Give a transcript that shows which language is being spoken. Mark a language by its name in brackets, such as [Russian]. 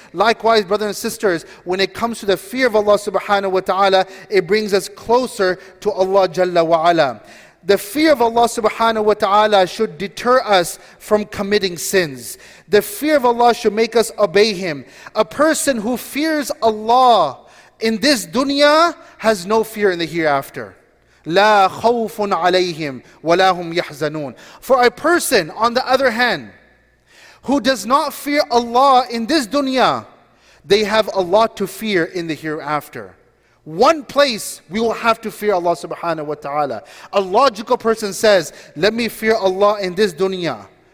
[English] Likewise, brothers and sisters, when it comes to the fear of Allah subhanahu wa ta'ala, it brings us closer to Allah jalla wa ala. The fear of Allah subhanahu wa ta'ala should deter us from committing sins. The fear of Allah should make us obey Him. A person who fears Allah in this dunya has no fear in the hereafter. [Arabic] لا خوف عليهم ولا هم يحزنون. [English] For a person, on the other hand, who does not fear Allah in this dunya, they have a lot to fear in the hereafter. One place we will have to fear Allah subhanahu wa ta'ala. A logical person says, let me fear Allah in this dunya.